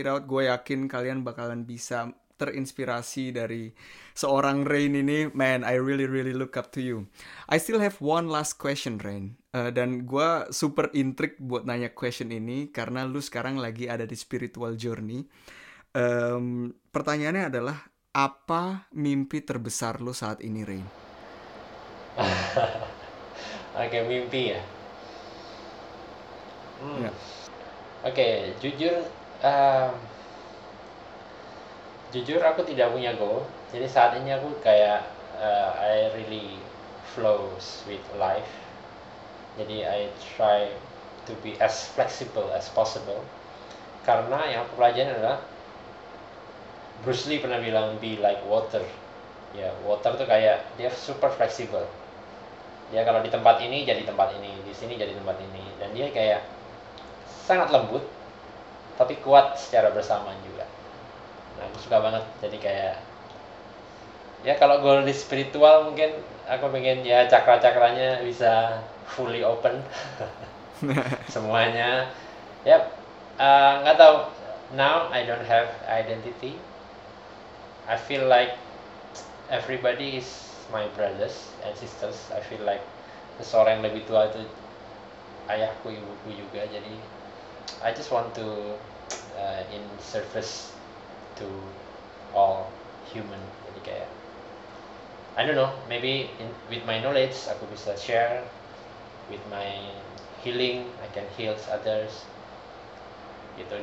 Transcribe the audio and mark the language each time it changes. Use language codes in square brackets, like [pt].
[id] Gue yakin kalian bakalan bisa terinspirasi dari seorang Rain ini. [en] Man, I really, really look up to you. I still have one last question, Rain. [id] Dan gue [en] super intrigued [id] buat nanya [en] question [id] ini, karena lu sekarang lagi ada di [en] spiritual journey. [id] Pertanyaannya adalah, apa mimpi terbesar lu saat ini, Rain? Oke, mimpi ya? Oke, jujur, jujur aku tidak punya goal. Jadi saat ini aku kayak [en] I really flows with life. [id] Jadi [en] I try to be as flexible as possible. [id] Karena yang aku pelajari adalah Bruce Lee pernah bilang [en] be like water. [id] Ya, water tuh kayak dia super flexible. Dia kalau di tempat ini jadi tempat ini, di sini jadi tempat ini, dan dia kayak sangat lembut tapi kuat secara bersamaan juga. Nah, aku suka banget. Jadi kayak ya kalau goal di spiritual mungkin aku pengen ya cakra-cakranya bisa [en] fully open [id] semuanya. Yep. Nggak tahu. [en] Now I don't have identity. I feel like everybody is my brothers and sisters. I feel like [id] seseorang yang lebih tua itu ayahku, ibuku juga. Jadi [en] I just want to in service to all human. [id] Jadi kayak [en] I don't know, maybe with my knowledge [id] aku bisa share, [en] with my healing I can heal others [id] gitu.